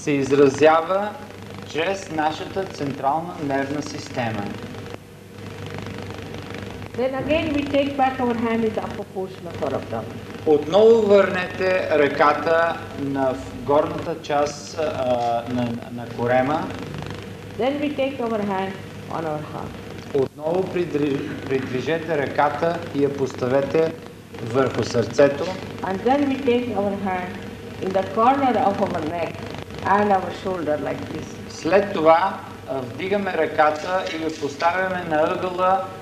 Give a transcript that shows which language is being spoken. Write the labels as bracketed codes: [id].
[bg] Се изразява чрез нашата централна нервна система. [en] Then again we take back our hand in the upper portion of our abdomen. [bg] Отново върнете ръката на горната част на корема. [en] Then we take our hand on our heart. [bg] Отново придвижете ръката и я поставете върху сърцето. [en] And then we take our hand in the corner of our neck and our shoulder like this. [bg] След това вдигаме ръката и я поставяме на ъгъла.